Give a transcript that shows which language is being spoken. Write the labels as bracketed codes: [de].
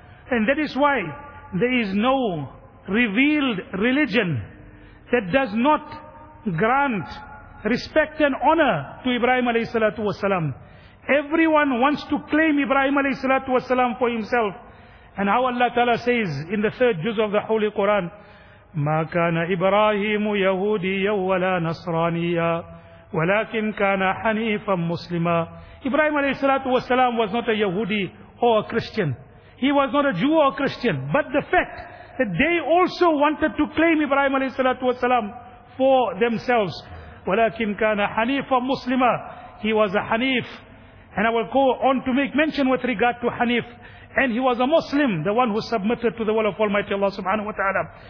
[en] And that is why there is no revealed religion that does not grant respect and honor to Ibrahim alayhi salatu wasalam. Everyone wants to claim Ibrahim alayhi salatu wasalam for himself. And how Allah Ta'ala says in the third juz of the Holy Quran, [ar] ما كان إبراهيم يهوديا ولا نصرانيا ولكن كان حنيفا مسلما. [en] Ibrahim alayhi salatu wasalam was not a Yahudi or a Christian. He was not a Jew or a Christian. But the fact that they also wanted to claim Ibrahim alayhi salatu wasalam for themselves. [ar] ولكن كان حنيفا مسلما. [en] He was a Hanif. And I will go on to make mention with regard to Hanif. And he was a Muslim, the one who submitted to the will of Almighty Allah subhanahu wa ta'ala.